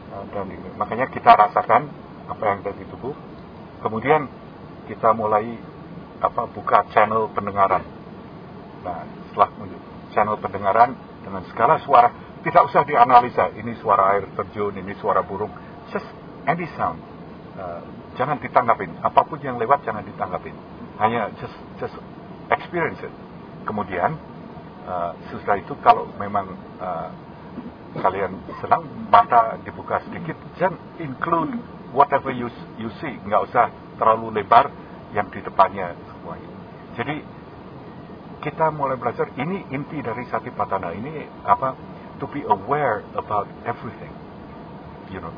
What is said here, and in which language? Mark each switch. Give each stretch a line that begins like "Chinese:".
Indonesian: Dan makanya kita rasakan apa yang ada di tubuh. Kemudian kita mulai apa buka channel pendengaran. Nah, setelah channel pendengaran dengan segala suara, tidak usah dianalisa, ini suara air terjun, ini suara burung,
English: just any sound.
Indonesian: Jangan ditanggapin, apapun yang lewat jangan ditanggapin.
English: Hanya just experience it.
Indonesian: Kemudian setelah itu kalau memang kalian senang mata dibuka sedikit,
English: just include whatever you see,
Indonesian: nggak usah terlalu lebar yang di depannya semuanya. Jadi kita mulai belajar, ini inti dari Satipatthana, ini apa,
English: to be aware about everything, you know.